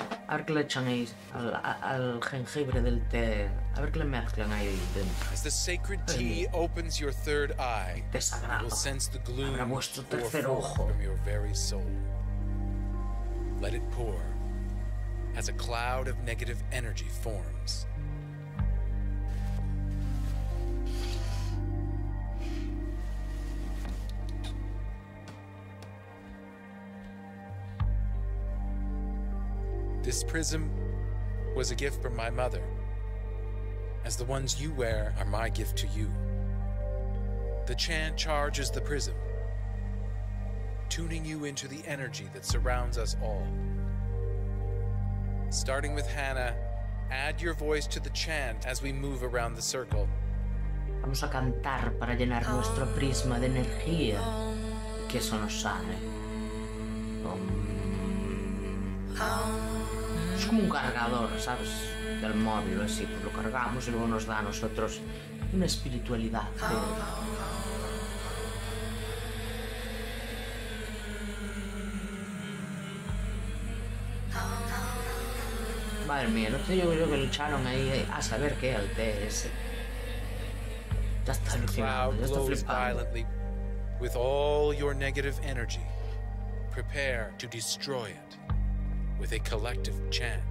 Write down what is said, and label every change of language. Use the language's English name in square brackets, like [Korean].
[Spanish] A ver qué le echan ahí al jengibre del té. A ver qué le mezclan ahí dentro. [English] As the sacred tea opens your third eye, you'll sense the gloom [Spanish] abra vuestro tercer ojo. [English] From your very soul. Let it pour as a cloud of negative energy forms. This prism was a gift from my mother, as the ones you wear are my gift to you. The chant charges the prism, tuning you into the energy that surrounds us all. Starting with Hannah, add your voice to the chant as we move around the circle. [Spanish] Vamos a cantar para llenar nuestro prisma de energía y que eso nos sane. Es como un cargador, ¿sabes? Del móvil o así, pues lo cargamos y luego nos da a nosotros una espiritualidad. Madre mía, no sé yo creo que lo echaron ahí a saber qué, al TS. Ya está alucinando, ya está flipando. [English] With all your negative energy, prepare to destroy it with a collective chant.